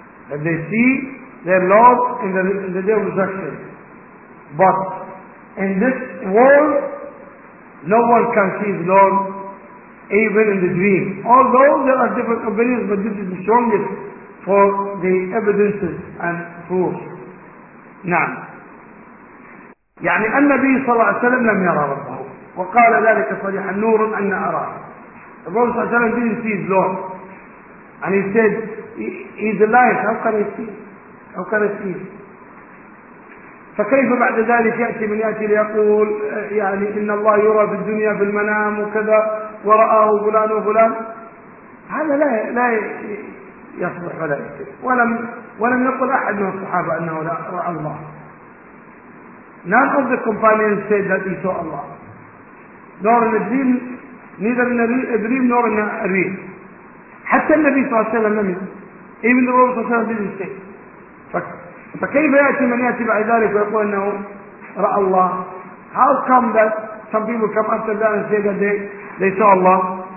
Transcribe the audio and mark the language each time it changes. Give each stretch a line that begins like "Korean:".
English: That they see their Lord in the day of Hashr. But in this world, no one can see the Lord even in the dream. Although there are different opinions, but this is the strongest for the evidences and proofs.
Arabic: نعم يعني النبي صلى الله عليه وسلم لم يرى ربه وقال ذلك صريحا نور أن أراه الرسول صلى الله عليه وسلم
English: didn't see his Lord and he said he's alive, how can I see
Arabic: فكيف بعد ذلك يأتي من يأتي ليقول يعني إن الله يرى في الدنيا في المنام وكذا ورآه فلان وفلان هذا لا يصبح ولا يصبح ولم يقل أحد من الصحابة أنه لا رأى الله.
English: None of the companions said that he saw Allah. Nor in a dream, neither in a dream nor in a dream.
Arabic: حتى النبي صلى الله عليه وسلم لم يقل.
English: Even the Prophet صلى الله عليه وسلم didn't say.
Arabic: فكيف يأتي من يأتي بعد ذلك ويقول أنه رأى الله؟
English: How come that some people come after that and say that they saw Allah?